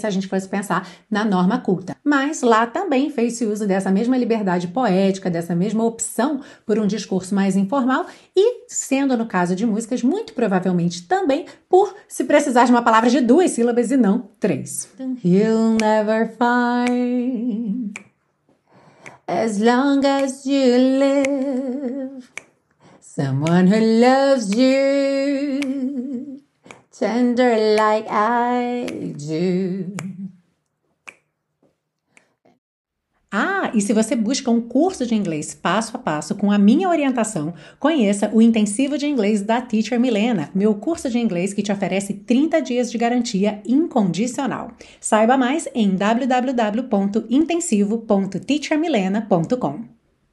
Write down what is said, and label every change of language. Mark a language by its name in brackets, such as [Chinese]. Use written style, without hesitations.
[Portuguese] Se a gente fosse pensar na norma culta. Mas lá também fez-se uso dessa mesma liberdade poética, dessa mesma opção por um discurso mais informal e, sendo no caso de músicas, muito provavelmente também por se precisar de uma palavra de duas sílabas e não três. [English] You'll never find as long as you live someone who loves you tender like I do. [Portuguese] Ah, e se você busca um curso de inglês passo a passo com a minha orientação, conheça o Intensivo de Inglês da Teacher Milena, meu curso de inglês que te oferece 30 dias de garantia incondicional. Saiba mais em www.intensivo.teachermilena.com.